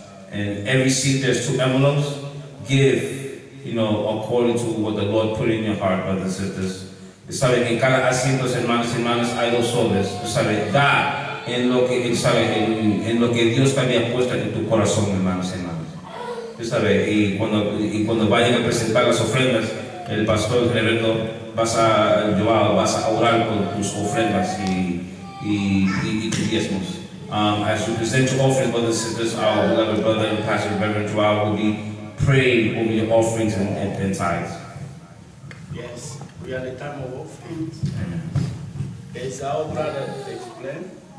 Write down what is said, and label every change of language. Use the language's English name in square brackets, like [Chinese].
[English] And every seat there's two envelopes. Give, according to what the Lord put in your heart, brothers and sisters. [Spanish] Sabe que en cada asiento, hermanos y hermanas, hay dos sobres. Sabe, da en lo que sabe en lo que Dios te había puesto en tu corazón, hermanos y hermanas. Sabe, y cuando vayan a presentar las ofrendas, el pastor Reverendo, vas a llevar, vas a orar con tus ofrendas y tus diezmos. [English] As you present your offering, brothers and sisters, our beloved brother and pastor Reverend Joao will be praying over your offerings and tithes. Yes, we are the time of offerings. Is our brother to explain?